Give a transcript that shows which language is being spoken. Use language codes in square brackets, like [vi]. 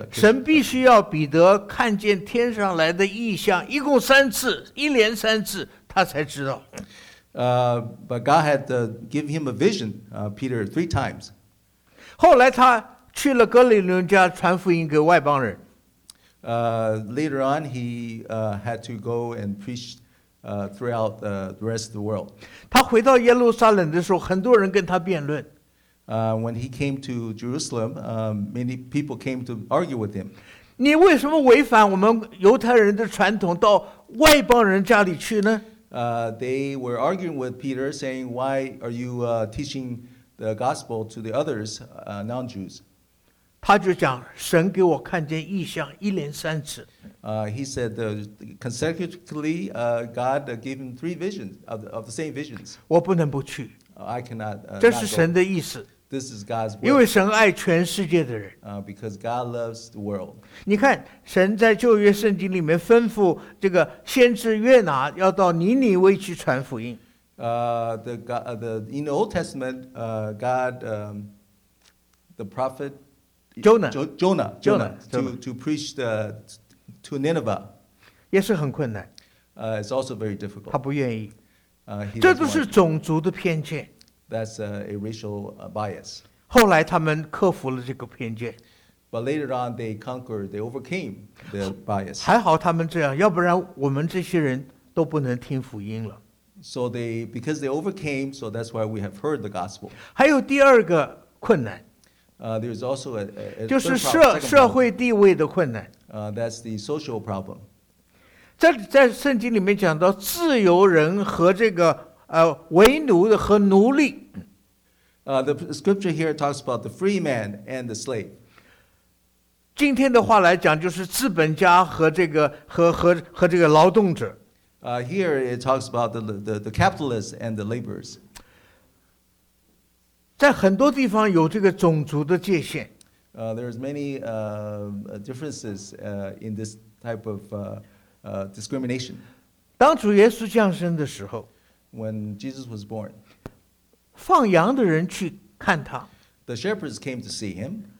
[zh] 神必须要彼得看见天上来的异象，一共三次，一连三次，他才知道。 [en] But God had given him a vision, Peter, three times. [zh] 后来他去了哥利牛家传福音给外邦人。 [en] Later on, he had to go and preach throughout the rest of the world. [zh] 他回到耶路撒冷的时候，很多人跟他辩论。 [en] When he came to Jerusalem, many people came to argue with him. [zh] 你为什么违反我们犹太人的传统到外邦人家里去呢？ [en] They were arguing with Peter, saying, "Why are you teaching the gospel to the others, non-Jews?" [zh] 他就讲，神给我看见异象一连三次。 [en] He said consecutively, God gave him three visions of the same visions. [zh] 我不能不去。 [en] I cannot. [zh] 这是神的意思。 [en] This is God's will. [zh] 因为神爱全世界的人。 [en] Because God loves the world. [zh] 你看，神在旧约圣经里面吩咐这个先知约拿要到尼尼微去传福音。 [en] In the Old Testament, the prophet Jonah to preach to Nineveh. [zh] 也是很困难。 [en] It's also very difficult. [zh] 他不愿意。 [en] He [zh] 这都是种族的偏见。 [en] That's a racial bias. [zh] 后来他们克服了这个偏见。 [en] But later on, they conquered, they overcame the bias. [zh] 还好他们这样，要不然我们这些人都不能听福音了。 [en] So they, because they overcame, so that's why we have heard the gospel. [zh] 还有第二个困难。 [en] There's also a third problem. [zh] 就是社会地位的困难。 [en] That's the social problem. [zh] 在圣经里面讲到自由人和这个为奴的和奴隶。 [en] The scripture here talks about the free man and the slave. [zh] 今天的话来讲就是资本家和这个和这个劳动者。 [en] Here it talks about the capitalists and the laborers. [zh] 在很多地方有这个种族的界限。 [en] There's many differences in this type of discrimination. [zh] 当主耶稣降生的时候。 [en] When Jesus was born. [zh] 放羊的人去看他。 [en] The shepherds came to see him.